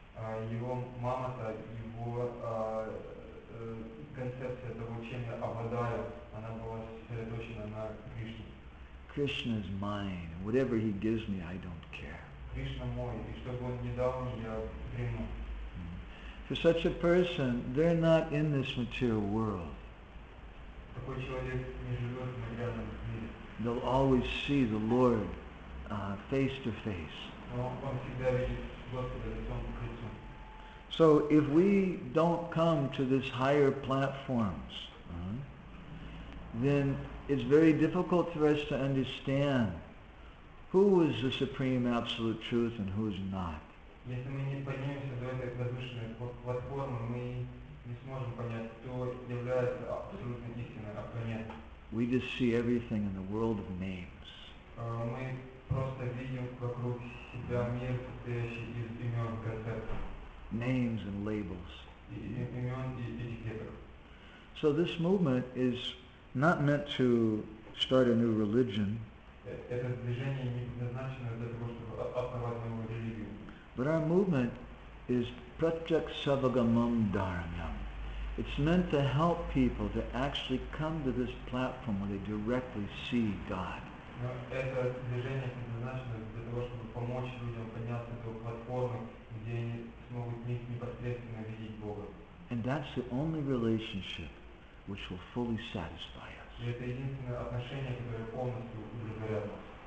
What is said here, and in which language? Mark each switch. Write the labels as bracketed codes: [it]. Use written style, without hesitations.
[en] Krishna is mine. Whatever he gives me, I don't care. [ru] Krishna мой, и чтобы он не дал мне, я приму. [en] For such a person, they're not in this material world. [ru] Такой человек не живет в материальном мире. [en] They'll always see the Lord face to face. [ru] Он всегда видит Господа лицом к лицу. [en] So if we don't come to these higher platforms, then it's very difficult for us to understand who is the Supreme Absolute Truth and who is not. [ru] Если мы не поднимемся до этой возвышенной платформы, мы не сможем понять, кто является абсолютно истиной, а кто нет. [en] We just see everything in the world of names. [ru] Мы просто видим вокруг себя мир, состоящий из имен и концептов. [en] Names and labels. [ru] И имен и этикеток. [en] So this movement is not meant to start a new religion. [ru] Это движение не предназначено для того, чтобы основать новую религию. [en] But our movement is Pratyak Savagamam Dharmyam. It's meant to help people to actually come to this platform where they directly see God. [ru] Но это движение предназначено для того, чтобы помочь людям подняться до платформы, где они смогут непосредственно видеть Бога. [en] And that's the only relationship which will fully satisfy us. [ru] И это единственное отношение, которое полностью удовлетворяет нас.